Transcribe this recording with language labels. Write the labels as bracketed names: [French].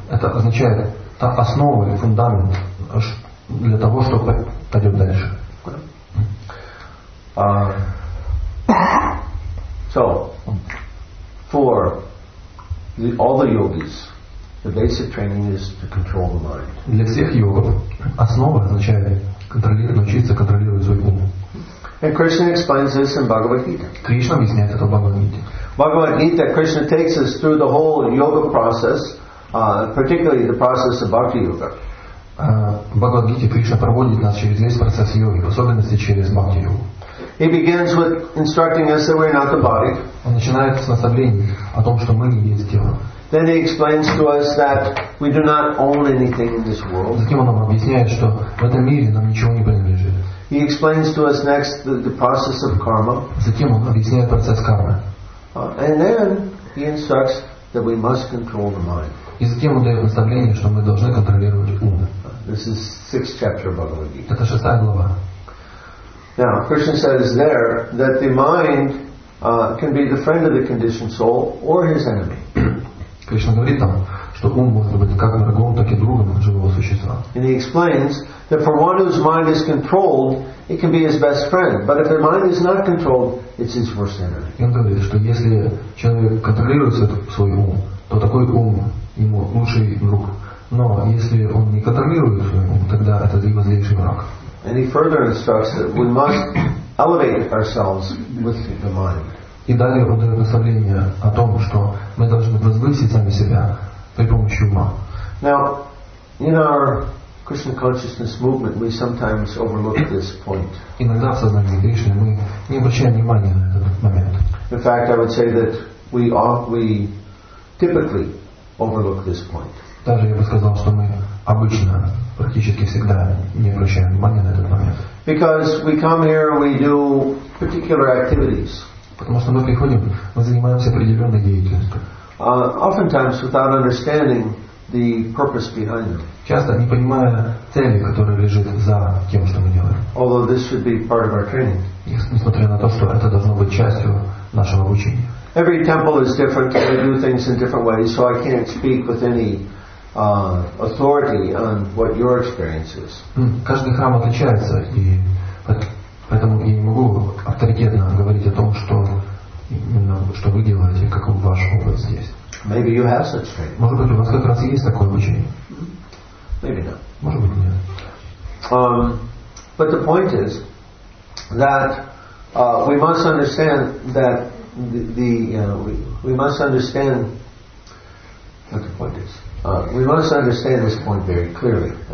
[Russian] Это означает та основа или фундамент для того, что пойдет дальше. [English] So, for the, all the yogis, the basic training is to control the mind. [Russian] Для всех йогов основа означает контролировать, научиться контролировать свой ум. [English] And Krishna explains this in Bhagavad Gita. [Russian] Кришна объясняет это в Бхагавад Гите. [English] Bhagavad Gita, Krishna takes us through the whole yoga process, particularly the process of Bhakti Yoga. [Russian] В Бхагавад Гите Кришна проводит нас через весь процесс йоги, в особенности через Бхакти Йогу. [English] He begins with instructing us that we're not the body. [Russian] Он начинает с наставления о том, что мы не есть тело. [English] Then he explains to us that we do not own anything in this world. [Russian] Затем он нам объясняет, что в этом мире нам ничего не принадлежит. [English] He explains to us next the process of karma. [Russian] Затем он объясняет процесс кармы. [English] And then he instructs that we must control the mind. [Russian] И затем он дает наставление, что мы должны контролировать ум. [English] This is sixth chapter of Bhagavad Gita. [Russian] Это шестая глава. [English] Now, Krishna says there that the mind can be the friend of the conditioned soul or his enemy. [Russian] Кришна говорит там, что ум может быть как врагом, так и другом живого существа. [English] And he explains that for one whose mind is controlled, it can be his best friend. But if the mind is not controlled, it's his worst enemy. [Russian] И он говорит, что если человек контролирует свой ум, то такой ум ему лучший друг. Но если он не контролирует свой ум, тогда это его злейший враг. [English] And he further instructs that we must elevate ourselves with the mind. [Russian] И далее он дает наставление о том, что мы должны возвысить сами себя при помощи ума. [English] Now, in our Krishna consciousness movement, we sometimes overlook this point. [Russian] Иногда в сознании Кришны мы не обращаем внимания на этот момент. [English] In fact, I would say that we typically overlook this point. [Russian] Даже я бы сказал, что мы обычно, практически всегда не обращаем внимания на этот момент. [English] Because we come here, we do particular activities. [Russian] Потому что мы приходим, мы занимаемся определенной деятельностью. [English] Oftentimes without understanding the purpose behind it. [Russian] Часто не понимая цели, которая лежит за тем, что мы делаем. [English] Although this should be part of our training. [Russian] Несмотря на то, что это должно быть частью нашего обучения. [English] Every temple is different. We do things in different ways, so I can't speak with any authority on what your experience is. [Russian] Каждый храм отличается, и поэтому я не могу авторитетно говорить о том, что вы делаете, как ваш опыт здесь. [English] Maybe you have such training. [Russian] Может быть, у вас как раз есть такое обучение. [English] Maybe not. [Russian] Может быть, нет. [English] But the point is that we must understand that we must understand this point very clearly.